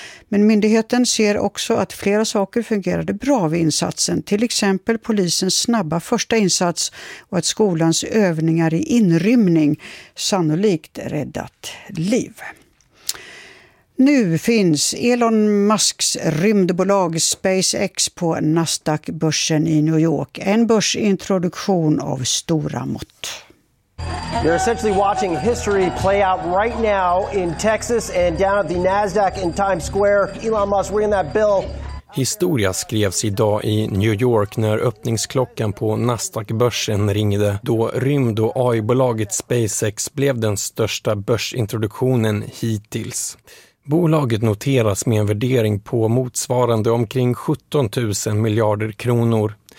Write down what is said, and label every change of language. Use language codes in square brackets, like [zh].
[sv] Men myndigheten ser också att flera saker fungerade bra vid insatsen, till exempel polisens snabba första insats och att skolans övningar i inrymning sannolikt räddat liv. Nu finns Elon Musks rymdbolag SpaceX på Nasdaq-börsen i New York. En börsintroduktion av stora mått. [en] You're essentially watching history play out right now in Texas and down at the Nasdaq in Times Square. Elon Musk ringing that bell. [sv] Historia skrevs idag i New York när öppningsklockan på Nasdaq-börsen ringde, då rymd- och AI-bolaget SpaceX blev den största börsintroduktionen hittills. Bolaget noteras med en värdering på motsvarande omkring 17 000 miljarder kronor.